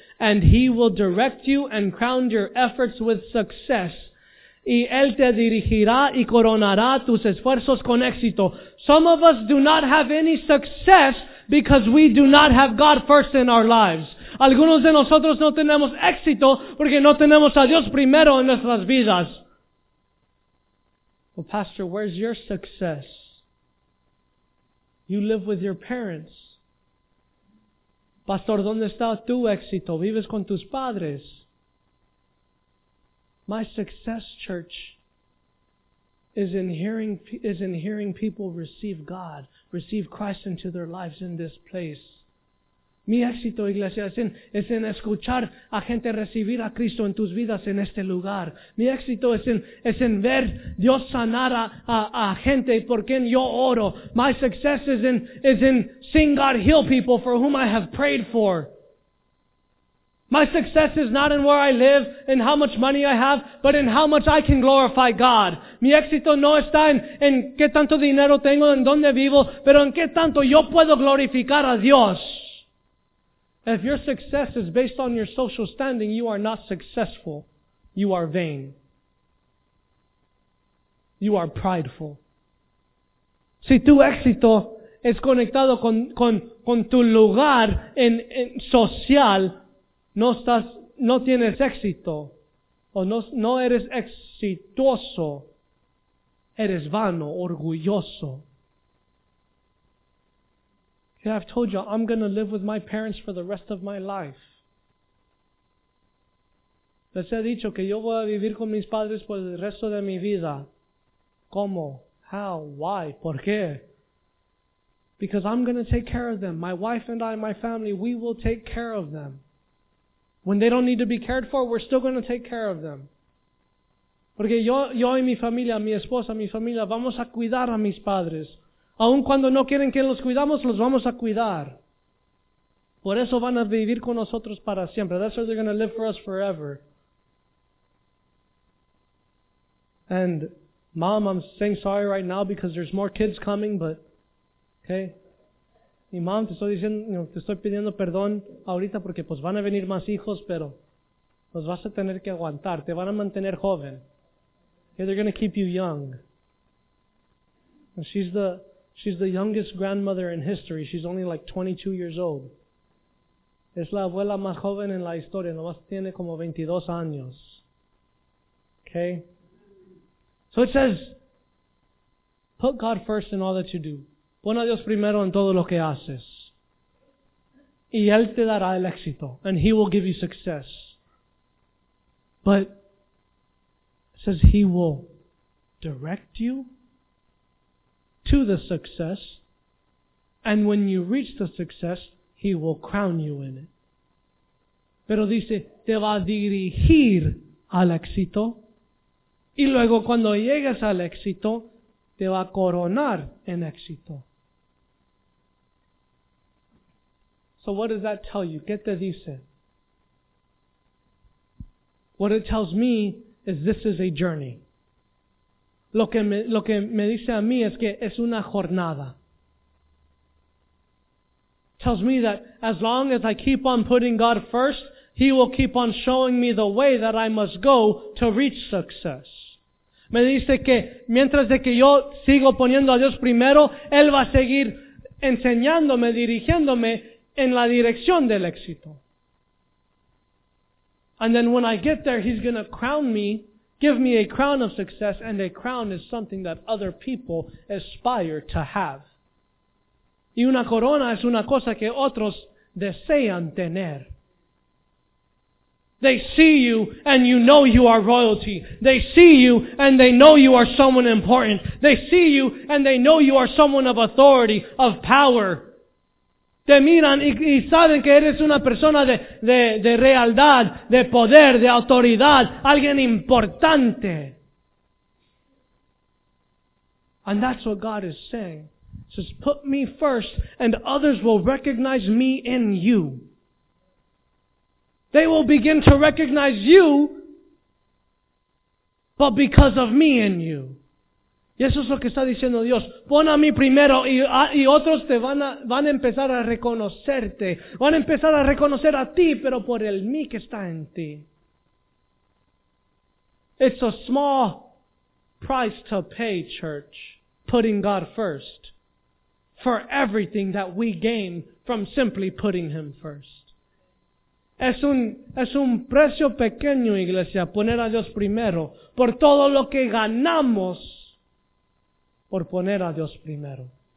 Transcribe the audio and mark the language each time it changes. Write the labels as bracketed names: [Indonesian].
[English] and He will direct you and crown your efforts with success. [Spanish] Y Él te dirigirá y coronará tus esfuerzos con éxito. [English] Some of us do not have any success because we do not have God first in our lives. [Spanish] Algunos de nosotros no tenemos éxito porque no tenemos a Dios primero en nuestras vidas. [English] Well, Pastor, where's your success? You live with your parents. [Spanish] Pastor, ¿dónde está tu éxito? ¿Vives con tus padres? [English] My success, church, is in hearing people receive God, receive Christ into their lives in this place. [Spanish] Mi éxito, iglesia, es en escuchar a gente recibir a Cristo en tus vidas en este lugar. Mi éxito es en ver Dios sanar a gente por quien yo oro. [English] My success is in seeing God heal people for whom I have prayed for. My success is not in where I live and how much money I have, but in how much I can glorify God. [Spanish] Mi éxito no está en qué tanto dinero tengo, en dónde vivo, pero en qué tanto yo puedo glorificar a Dios. [English] If your success is based on your social standing, you are not successful. You are vain. You are prideful. [Spanish] Si tu éxito es conectado con tu lugar en social, no tienes éxito. O no eres exitoso. Eres vano, orgulloso. [English] I've told you, I'm going to live with my parents for the rest of my life. [Spanish] Les he dicho que yo voy a vivir con mis padres por el resto de mi vida. ¿Cómo? [English] How? Why? [Spanish] ¿Por qué? [English] Because I'm going to take care of them. My wife and I, my family, we will take care of them. When they don't need to be cared for, we're still going to take care of them. [Spanish] Porque yo y mi familia, mi esposa, mi familia, vamos a cuidar a mis padres. Aun cuando no quieren que los cuidamos, los vamos a cuidar. Por eso van a vivir con nosotros para siempre. [English] That's why they're going to live for us forever. And mom, I'm saying sorry right now because there's more kids coming, but okay. [Spanish] Y mom, te estoy pidiendo perdón ahorita porque pues van a venir más hijos, pero los vas a tener que aguantar. Te van a mantener joven. [English] Okay, they're going to keep you young. And She's the youngest grandmother in history. She's only like 22 years old. [Spanish] Es la abuela más joven en la historia. Nomás tiene como 22 años. Okay? [English] So it says, put God first in all that you do. [Spanish] Pon a Dios primero en todo lo que haces. Y Él te dará el éxito. [English] And He will give you success. But it says He will direct you to the success, and when you reach the success, He will crown you in it. [Spanish] Pero dice, te va a dirigir al éxito, y luego cuando llegues al éxito, te va a coronar en éxito. [English] So what does that tell you? [Spanish] ¿Qué te dice? [English] What it tells me is this is a journey. [Spanish] Lo que me dice a mí es que es una jornada. [English] Tells me that as long as I keep on putting God first, He will keep on showing me the way that I must go to reach success. [Spanish] Me dice que mientras de que yo sigo poniendo a Dios primero, Él va a seguir enseñándome, dirigiéndome en la dirección del éxito. [English] And then when I get there, He's going to crown me. Give me a crown of success, and a crown is something that other people aspire to have. [Spanish] Y una corona es una cosa que otros desean tener. [English] They see you, and you know you are royalty. They see you, and they know you are someone important. They see you, and they know you are someone of authority, of power. [Spanish] Te miran y saben que eres una persona de realidad, de poder, de autoridad, alguien importante. [English] And that's what God is saying. He says, put me first and others will recognize me in you. They will begin to recognize you, but because of me in you. [Spanish] Y eso es lo que está diciendo Dios. Pon a mí primero y otros te van a empezar a reconocerte. Van a empezar a reconocer a ti, pero por el mí que está en ti. [English] It's a small price to pay, church, putting God first for everything that we gain from simply putting Him first. [Spanish] Es un precio pequeño, iglesia, poner a Dios primero por todo lo que ganamos por poner a Dios primero.